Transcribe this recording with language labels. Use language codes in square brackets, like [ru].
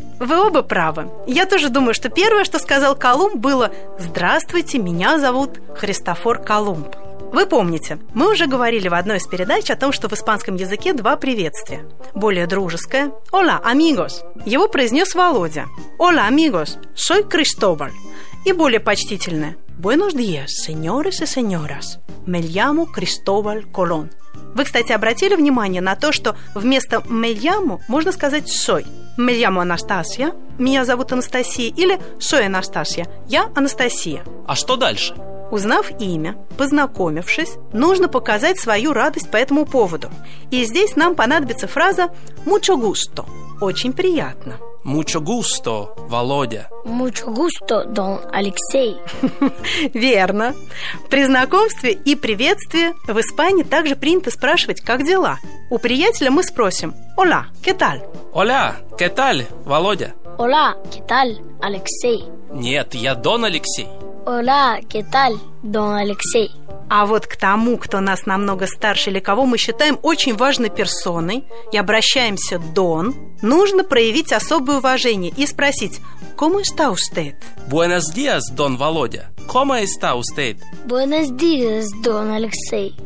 [ru] Вы оба правы. Я тоже думаю, что первое, что сказал Колумб, было «Здравствуйте, меня зовут Христофор Колумб». Вы помните, мы уже говорили в одной из передач о том, что в испанском языке два приветствия. Более дружеское – [es] «Hola, amigos». [ru] Его произнес Володя. [es] «Hola, amigos, soy Cristóbal». [ru] И более почтительное. [es] «Buenos días, señores y señoras. Me llamo Cristóbal Colón». [ru] Вы, кстати, обратили внимание на то, что вместо [es] «me llamo» [ru] можно сказать «soy». [es] «Me llamo Anastasia», [ru] «меня зовут Анастасия» или [es] «soy Anastasia», [ru] «я Анастасия». А что дальше? Узнав имя, познакомившись, нужно показать свою радость по этому поводу. И здесь нам понадобится фраза [es] «mucho gusto» [ru] – «очень приятно». [es] «Mucho gusto, Володя». «Mucho gusto, Don Алексей». [ru] Верно. При знакомстве и приветствии в Испании также принято спрашивать «как дела?». У приятеля мы спросим [es] «Hola, ¿qué tal?». «Hola, ¿qué tal, Володя?». «Hola, ¿qué tal, Алексей?». [ru] «Нет, я Дон Алексей». [es] Hola, ¿qué tal, Don Алексей? [ru] А вот к тому, кто нас намного старше или кого мы считаем очень важной персоной и обращаемся Дон, нужно проявить особое уважение и спросить [es] «Cómo está usted?». «Buenos días, Don Володя. ¿Cómo está usted?». «Buenos días, Don Алексей.